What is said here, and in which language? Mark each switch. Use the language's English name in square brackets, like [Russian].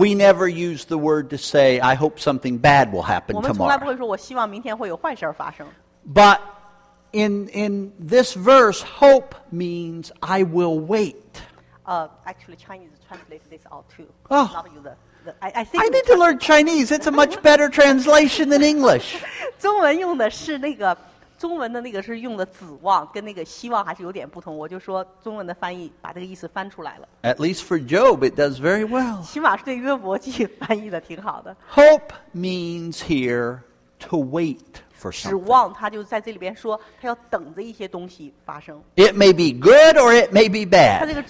[English] We never use the word to say, I hope something bad will happen tomorrow. [Chinese] 我们从来不会说我希望明天会有坏事发生。 [English] But in this verse, hope means I will wait. Actually, Chinese translates this all too. Oh. I think I need to learn Chinese. It's a much better translation than English. [Chinese] 中文用的是那个。中文的那个是用的指望，跟那个希望还是有点不同。我就说中文的翻译把这个意思翻出来了。 [English] At least for Job, it does very well. [Chinese] 起码是对约伯记翻译的挺好的。 [English] Hope means here to wait for something. [Chinese] 指望，他就在这里边说，他要等着一些东西发生。 [English] It may be good or it may be bad.